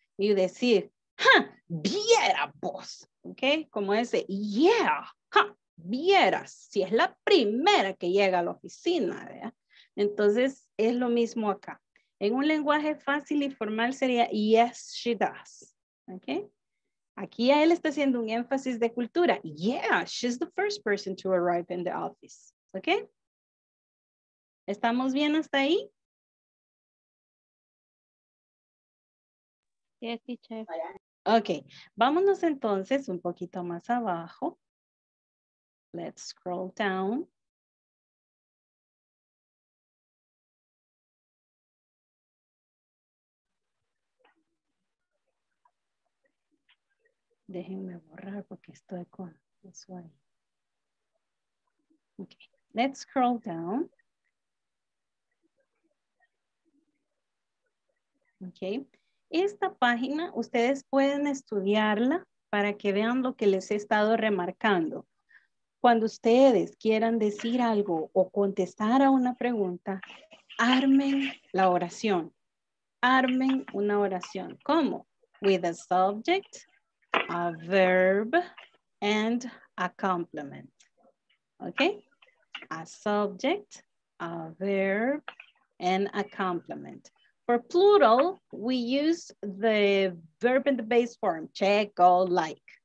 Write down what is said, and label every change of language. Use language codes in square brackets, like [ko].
[es] Y decir, ja, viera vos. Ok, como ese yeah, ja. Vieras, si es la primera que llega a la oficina, ¿verdad? Entonces es lo mismo acá. En un lenguaje fácil y formal sería [en] yes, she does. [es] ¿Okay? Aquí a él está haciendo un énfasis de cultura. [en] Yeah, she's the first person to arrive in the office. [es] ¿Okay? ¿Estamos bien hasta ahí? [en] Yes, teacher. [es] Ok, vámonos entonces un poquito más abajo. [en] Let's scroll down. [es] Déjenme borrar porque estoy con eso ahí. [en] Okay, let's scroll down. [es] Okay, esta página ustedes pueden estudiarla para que vean lo que les he estado remarcando. Cuando ustedes quieran decir algo o contestar a una pregunta, armen la oración. Armen una oración. ¿Cómo? [en] With a subject, a verb, and a complement. ¿Ok? A subject, a verb, and a complement. For plural, we use the verb in the base form, check or like.